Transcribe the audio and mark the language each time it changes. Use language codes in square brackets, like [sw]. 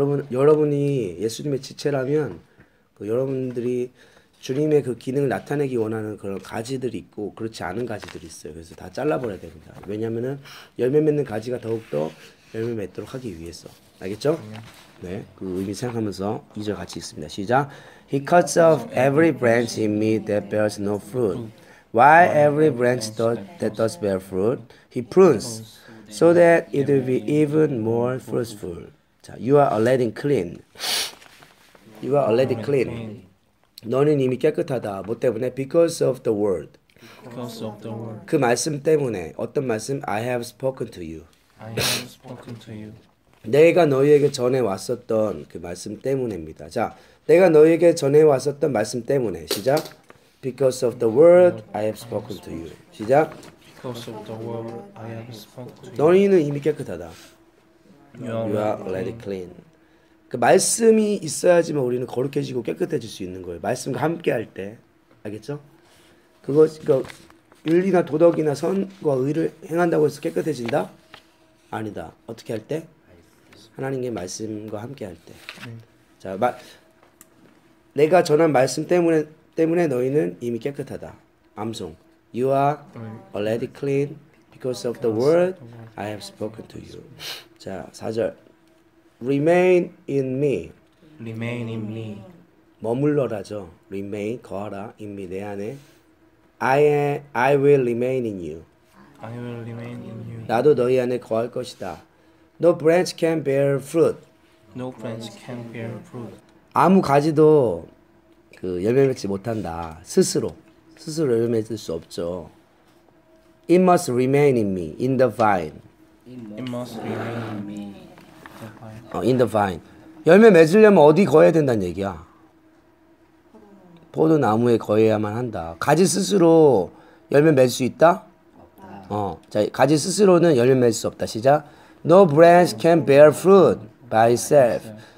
[ko] 여러분이 예수님의 지체라면 그 여러분들이 주님의 그 기능을 나타내기 원하는 그런 가지들이 있고 그렇지 않은 가지들이 있어요. 그래서 다 잘라버려야 됩니다. 왜냐하면은 열매 맺는 가지가 더욱더 열매 맺도록 하기 위해서. 알겠죠? 네, 그 의미 생각하면서 2절 같이 읽습니다. 시작. [en] He cuts off every branch in me that bears no fruit, while every branch that does bear fruit, he prunes, so that it will be even more fruitful. You are already clean. You are already clean. [ko] 너는 이미 깨끗하다. 뭐 때문에? [en] Because of the word. Because of the word. [ko] 그 말씀 때문에. 어떤 말씀? [en] I have spoken to you. I have spoken to you. [ko] 내가 너희에게 전해 왔었던 그 말씀 때문입니다. 자, 내가 너희에게 전해 왔었던 말씀 때문에. 시작. [en] Because of the word, I have spoken to you. [ko] 시작. [en] Because of the word, I have spoken to you. [ko] 너희는 이미 깨끗하다. [en] You are already clean. [ko] 그 말씀이 있어야지만 우리는 거룩해지고 깨끗해질 수 있는 거예요. 말씀과 함께 할 때. 알겠죠? 그거 그 윤리나 도덕이나 선과 의를 행한다고 해서 깨끗해진다? 아니다. 어떻게 할 때? 하나님의 말씀과 함께 할 때. 자, 내가 전한 말씀 때문에 너희는 이미 깨끗하다. 암송. [en] You are already clean. Because of the word I have spoken to you. [ko] 자, 4절. [en] Remain in me. Remain in me. [ko] 머물러라죠. [en] Remain, [ko] 거하라. [en] In me, [ko] 내 안에. [en] I will remain in you. I will remain in you. [ko] 나도 너희 안에 거할 것이다. [en] No branch can bear fruit. No branch can bear fruit. [ko] 아무 가지도 그 열매 맺지 못한다. 스스로 열매 맺을 수 없죠. [en] It must remain in me, in the vine. It must remain in me. In the vine. [ko] 열매 맺으려면 어디 거해야 된다는 얘기야? 포도나무에 거해야만 한다. 가지 스스로 열매 맺을 수 있다? 자, 가지 스스로는 열매 맺을 수 없다. 시작. [en] No branch can bear fruit by itself.